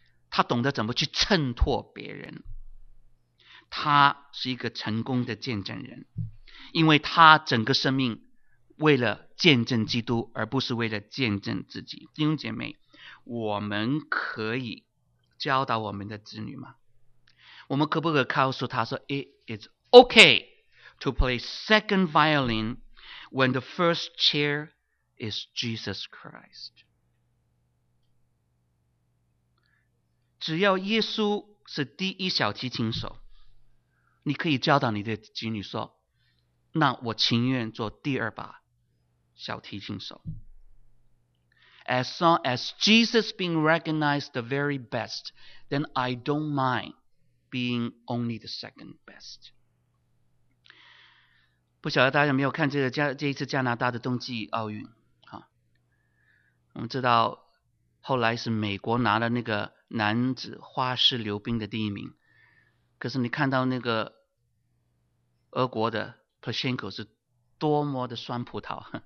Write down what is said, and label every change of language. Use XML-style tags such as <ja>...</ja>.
<zh>他懂得怎么去衬托别人，他是一个成功的见证人，因为他整个生命为了见证基督，而不是为了见证自己。弟兄姐妹，我们可以教导我们的子女吗？我们可不可以告诉他说</zh> <en>It's okay to play second violin when the first chair is Jesus Christ?</en> <zh>只要耶稣是第一小提琴手，你可以教导你的子女说，那我情愿做第二把小提琴手。</zh> <en>As long as Jesus being recognized the very best, then I don't mind being only the second best.</en> <zh>不晓得大家有没有看这一次加拿大的冬季奥运，我们知道后来是美国拿了那个男子花式溜冰的第一名，可是你看到那个俄国的 Plushenko 是多么的酸葡萄</zh>